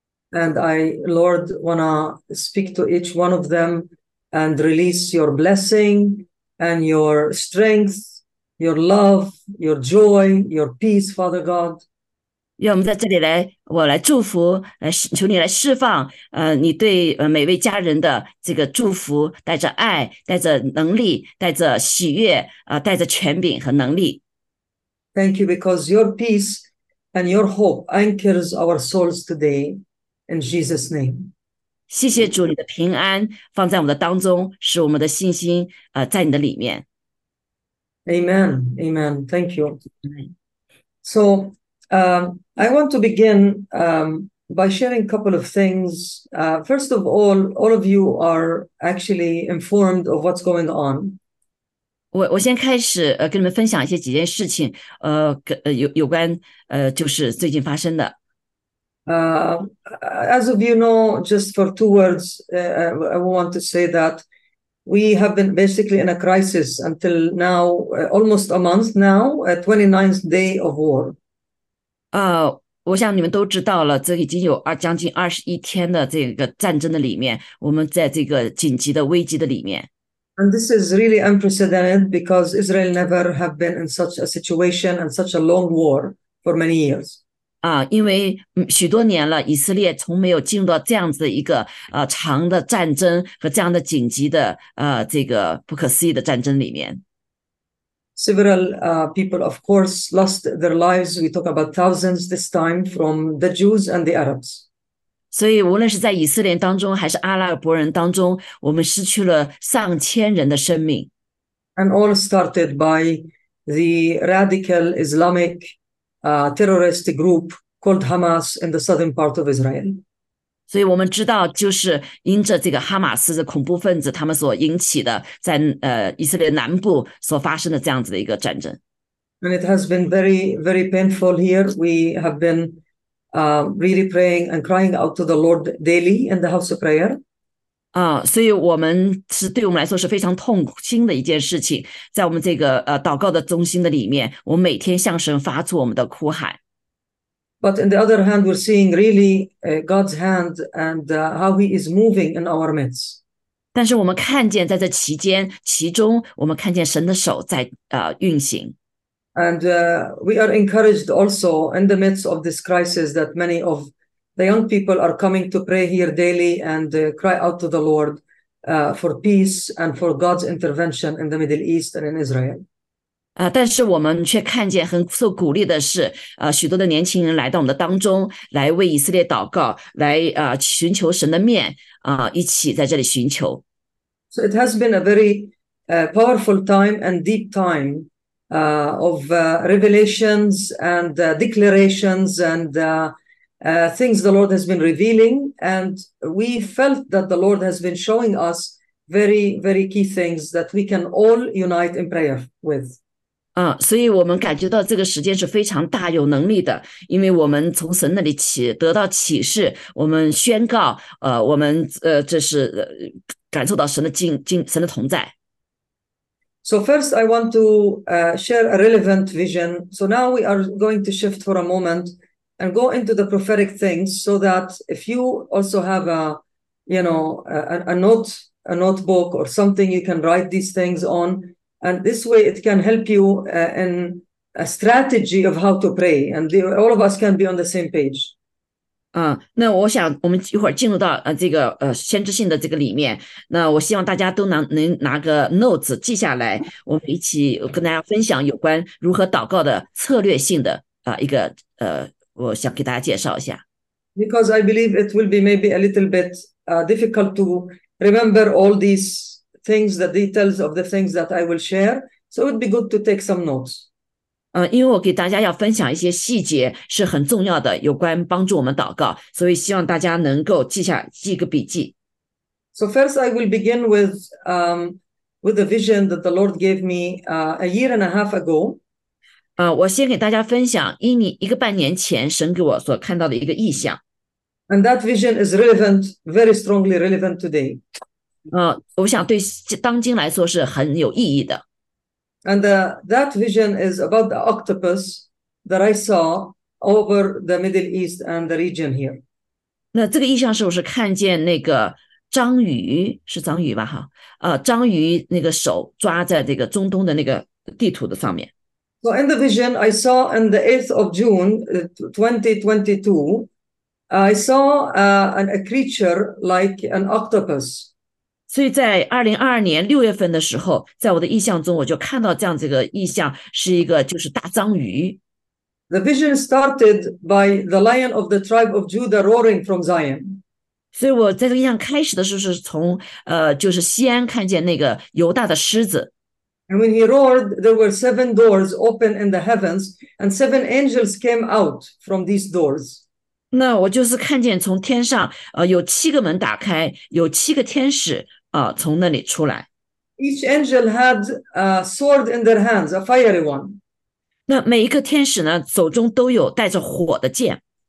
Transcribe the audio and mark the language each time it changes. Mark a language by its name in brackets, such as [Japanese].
[English] And I, Lord, wanna speak to each one of them and release your blessing and your strength, your love, your joy, your peace, Father God. [Chinese] 愿我们在这里来，我来祝福，来求你来释放，你对每位家人的这个祝福，带着爱，带着能力，带着喜悦，带着权柄和能力。 [English] Thank you, because your peace and your hope anchors our souls today in Jesus' name. [Chinese] 谢谢主，你的平安放在我的当中，使我们的信心在你的里面。 [English] Amen, amen. Thank you. So, I want to begin by sharing a couple of things. First of all of you are actually informed of what's going on. [Chinese] 我先开始跟你们分享一些几件事情，有关就是最近发生的。 [English] As of you know, just for two words, I want to say that we have been basically in a crisis until now, almost a month now, a 29th day of war. [Chinese] 我想你们都知道了，这已经有将近21天的这个战争的里面，我们在这个紧急的危机的里面。 [English] And this is really unprecedented because Israel never have been in such a situation and such a long war for many years. [Chinese] 因为许多年了，以色列从没有进入到这样子的一个长的战争和这样的紧急的这个不可思议的战争里面。 [English] Several people, of course, lost their lives. We talk about thousands this time from the Jews and the Arabs. [Chinese] 所以，无论是在以色列当中，还是阿拉伯人当中，我们失去了上千人的生命。 [English] And all started by the radical Islamic terrorist group called Hamas in the southern part of Israel. [Chinese] 所以我们知道，就是因着这个哈马斯的恐怖分子，他们所引起的在以色列南部所发生的这样子的一个战争。 [English] And it has been very, very painful here. We have been really praying and crying out to the Lord daily in the house of prayer. [Chinese] 所以我们是对我们来说是非常痛心的一件事情，在我们这个祷告的中心的里面，我们每天向神发出我们的哭喊。 [English] But on the other hand, we're seeing really God's hand and how He is moving in our midst. [Chinese] 但是我们看见，在这期间其中，我们看见神的手在运行。 [English] And we are encouraged also in the midst of this crisis that many of the young people are coming to pray here daily and cry out to the Lord for peace and for God's intervention in the Middle East and in Israel. [Chinese] 但是我们却看见很受鼓励的是，许多的年轻人来到我们的当中，来为以色列祷告，来寻求神的面，一起在这里寻求。 [English] So it has been a very powerful time and deep time of revelations and declarations and things the Lord has been revealing. And we felt that the Lord has been showing us very, very key things that we can all unite in prayer with. [Chinese] 所以我们感觉到这个时间是非常大有能力的，因为我们从神那里得到启示，我们宣告，我们这是感受到神的神的同在。 [English] So first, I want to share a relevant vision. So now we are going to shift for a moment and go into the prophetic things, so that if you also have a notebook or something, you can write these things on, and this way it can help you in a strategy of how to pray, and all of us can be on the same page. [Chinese] 那我想我们一会儿进入到这个先知性的这个里面，那我希望大家都能拿个 notes 记下来，我们一起跟大家分享有关如何祷告的策略性的一个我想给大家介绍一下。 [English] Because I believe it will be maybe a little bit difficult to remember all these things, the details of the things that I will share. So it would be good to take some notes. [Chinese] 因为我给大家要分享一些细节是很重要的，有关帮助我们祷告，所以希望大家能够记个笔记。 [English] So first, I will begin with a vision that the Lord gave me a year and a half ago. [Chinese] 我先给大家分享一个半年前神给我所看到的一个异象。 [English] And that vision is relevant, very strongly relevant today. [Chinese] 我想对当今来说是很有意义的。 [English] And that vision is about the octopus that I saw over the Middle East and the region here. [Chinese] 那这个意象是不是看见那个章鱼？是章鱼吧？章鱼那个手抓在这个中东的那个地图的上面。 [English] So in the vision I saw on the 8th of June, 2022, I saw a creature like an octopus. [Chinese] 所以在2022年6月份的时候，在我的意象中，我就看到这样这个意象，是一个就是大章鱼。 [English] The vision started by the lion of the tribe of Judah roaring from Zion. [Chinese] 所以我在这个印象开始的时候，是从就是西安看见那个犹大的狮子。 [English] And when he roared, there were seven doors open in the heavens, and seven angels came out from these doors. [Chinese] 那我就是看见从天上有7个门打开，有7个天使从那里出来。 [English] Each angel had a sword in their hands, a fiery one. [Chinese] 那每一个天使呢，手中都有带着火的剑。